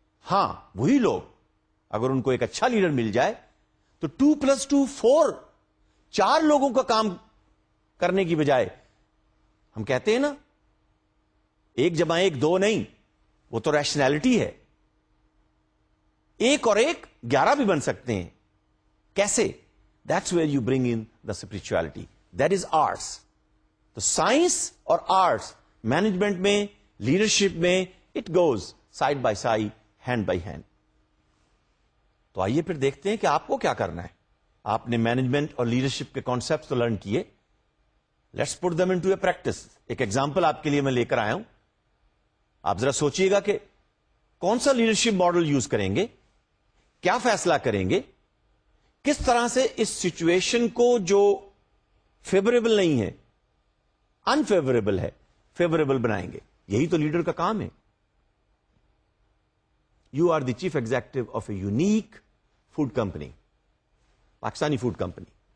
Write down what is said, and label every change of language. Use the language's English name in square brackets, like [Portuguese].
[Urdu] ہاں وہی لوگ اگر ان کو ایک اچھا لیڈر مل جائے تو 2 plus 2 4, چار لوگوں کا کام کرنے کی بجائے, ہم کہتے ہیں نا ایک جمع ایک دو نہیں, وہ تو ریشنلٹی ہے, ایک اور ایک 11 بھی بن سکتے ہیں. کیسے؟ [English] That's where you bring in the spirituality, that is arts. [Urdu] تو سائنس اور آرٹس مینجمنٹ میں, لیڈرشپ میں, [English] It goes side by side, hand by hand. [Urdu] تو آئیے پھر دیکھتے ہیں کہ آپ کو کیا کرنا ہے. آپ نے مینجمنٹ اور لیڈرشپ کے کانسیپٹ تو لرن کیے, [English] Let's put them into a practice. [Urdu] ایک ایگزامپل آپ کے لیے میں لے کر آیا ہوں, آپ ذرا سوچیے گا کہ کون سا لیڈرشپ ماڈل یوز کریں گے, کیا فیصلہ کریں گے, کس طرح سے اس سچویشن کو جو فیوریبل نہیں ہے, انفیوریبل ہے, فیوریبل بنائیں گے. یہی تو لیڈر کا کام ہے. [English] You are the chief executive of a unique food company, Pakistani food company.